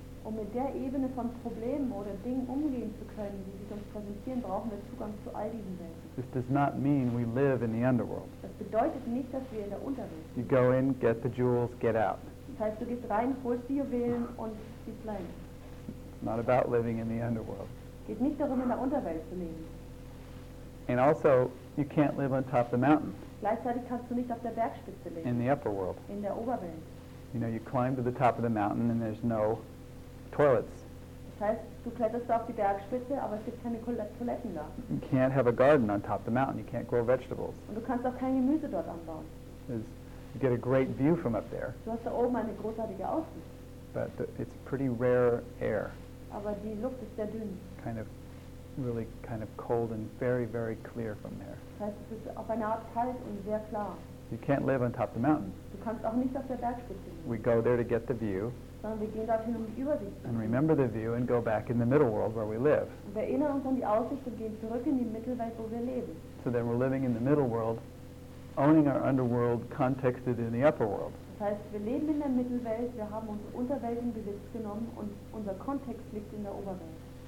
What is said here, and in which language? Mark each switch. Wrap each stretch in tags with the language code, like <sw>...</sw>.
<de>Um mit der Ebene von Problemen oder Dingen umgehen zu können, die sich uns präsentieren, brauchen wir Zugang zu all diesen Welten.</de> <en>This does not mean we live in the underworld.</en> <de>Das bedeutet nicht, dass wir in der Unterwelt sind.</de> <en>You go in, get the jewels, get out.</en> <de>Das heißt, du gehst rein, holst die Juwelen und die bleiben.</de> <en>It's not about living in the underworld.</en> <de>Es geht nicht darum, in der Unterwelt zu leben.</de> <en>And also, you can't live on top of the mountain.</en> <de>Gleichzeitig kannst du nicht auf der Bergspitze leben.</de> <en>In the upper world.</en> <de>In der Oberwelt.</de> <en>You know, you climb to the top of the mountain and there's no toilets.</en> <de>Das heißt, du kletterst auf die Bergspitze, aber es gibt keine Toiletten da.</de> <en>You can't have a garden on top of the mountain. You can't grow vegetables.</en> <de>Und du kannst auch kein Gemüse dort anbauen.</de> <en>You get a great view from up there.</en> <de>Du hast da oben eine großartige Aussicht.</de> <en>But it's pretty rare air.</en> <de>Aber die Luft ist sehr dünn.</de> <en>Kind of cold and very, very clear from there.</en> <de>Das heißt, es ist auf eine Art kalt und sehr klar.</de> <en>You can't live on top of the mountain.</en> <de>Du kannst auch nicht auf der Bergspitze leben.</de> <en>We go there to get the view.</en> <de>Wir gehen dorthin, um die Übersicht.</de> <en>And remember the view and go back in the middle world where we live.</en> <de>Wir erinnern uns an die Aussicht und gehen zurück in die Mittelwelt, wo wir leben.</de> <en>So then we're living in the middle world, owning our underworld, contexted in the upper world.</en> <de>Das heißt, wir leben in der Mittelwelt, wir haben unsere Unterwelt in Besitz genommen und unser Kontext liegt in der Oberwelt.</de>